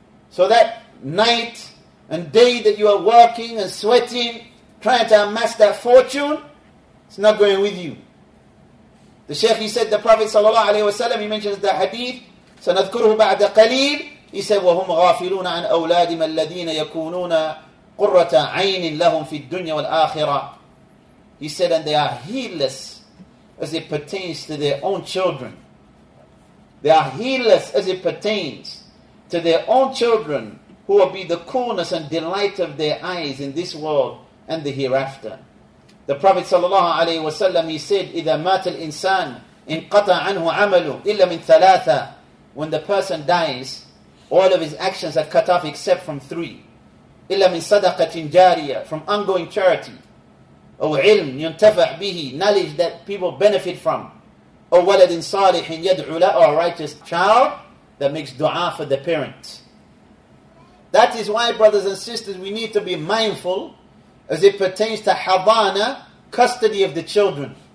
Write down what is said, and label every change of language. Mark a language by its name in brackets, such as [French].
[English] So that night and day that you are working and sweating, trying to amass that fortune, it's not going with you. The Shaykh, he said, the Prophet sallallahu alayhi wa sallam, he mentions the hadith, [Arabic] سَنَذْكُرُهُ بَعْدَ قَلِيلٍ. [English] He said, [Arabic] وَهُمْ غَافِلُونَ عَنْ أَوْلَادِمَ الَّذِينَ يَكُونُونَ قُرَّةَ عَيْنٍ لَهُمْ فِي الدُّنْيَا وَالْآخِرَةِ. [English] He said, and they are heedless as it pertains to their own children. They are heedless as it pertains to their own children, who will be the coolness and delight of their eyes in this world and the hereafter. The Prophet sallallahu alaihi wasallam, he said, [Arabic] إِذَا مَاتَ الْإِنسَانِ إِنْ قَطَعَ عَنْهُ عَمَلُ إِلَّا مِنْ ثَلَاثَ. [English] When the person dies, all of his actions are cut off except from three. [Arabic] إِلَّا مِنْ صَدَقَةٍ جَارِيَةٍ, [English] from ongoing charity. [Arabic] أَوْ عِلْمٍ يُنْتَفَعْ بِهِ, [English] knowledge that people benefit from. [Arabic] أَوْ وَلَدٍ صَالِحٍ يَدْعُ لَهُ, [English] or a righteous child that makes dua for the parent. That is why, brothers and sisters, we need to be mindful as it pertains to havana, custody of the children.